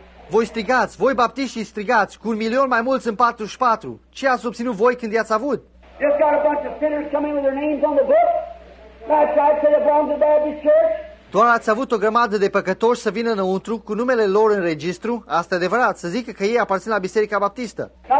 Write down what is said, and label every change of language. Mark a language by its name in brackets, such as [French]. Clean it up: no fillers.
[Romanian] Voi strigați, voi baptiștii strigați, cu un milion mai mulți în 44. Ce ați obținut voi când i-ați avut? [English] Just got a bunch of sinners coming with their names on the book. That's right, said it belongs to the Baptist church. [Romanian] Doar ați avut o grămadă de păcătoși să vină înăuntru cu numele lor în registru, asta e adevărat, să zică că ei aparțin la Biserica Baptistă.